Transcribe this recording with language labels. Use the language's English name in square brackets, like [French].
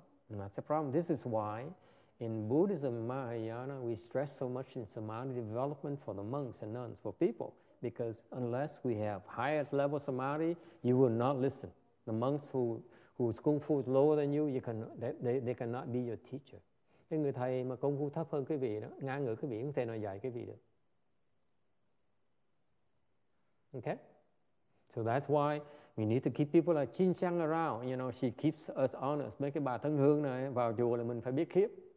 [English] That's a problem. This is why in Buddhism, Mahayana, we stress so much in samadhi development for the monks and nuns, for people, because unless we have higher level samadhi, you will not listen. The monks whose kung fu is lower than you can, they cannot be your teacher. [Vietnamese] Cái người thầy mà kung fu thấp hơn quý vị đó, ngang ngửa quý vị, không thể nào dạy quý vị được. [English] Okay? So that's why we need to keep people like Chin Sang around. You know, she keeps us honest. [Vietnamese] Mấy cái bà Thân Hương này vào chùa là mình phải biết khiếp.